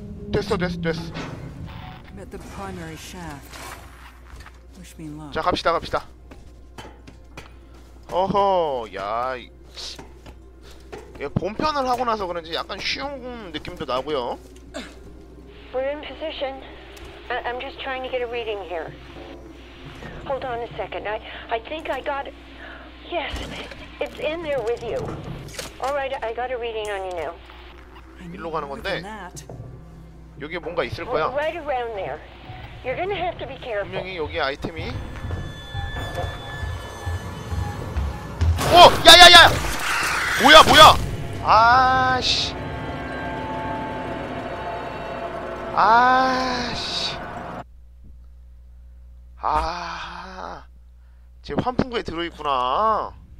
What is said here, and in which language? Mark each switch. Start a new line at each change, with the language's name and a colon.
Korean: 됐어 됐어 됐어.
English: Met the primary shaft. Wish me luck.
Korean: 자 갑시다 갑시다. 어허, 야, 이 본편을 하고 나서 그런지 약간 쉬운 느낌도 나고요.
English: We're in position. I'm just trying to get a reading here. Hold on a second. I think I got. Yes, it's in there with you. All right, I got a reading on you now.
Korean: 일로 가는 건데 여기 뭔가 있을 거야.
English: Right around there. You're gonna have to be careful.
Korean: 분명히 여기 아이템이. 오! 야야야! 뭐야 뭐야! 아씨 아씨 아 제 환풍구에 들어있구나.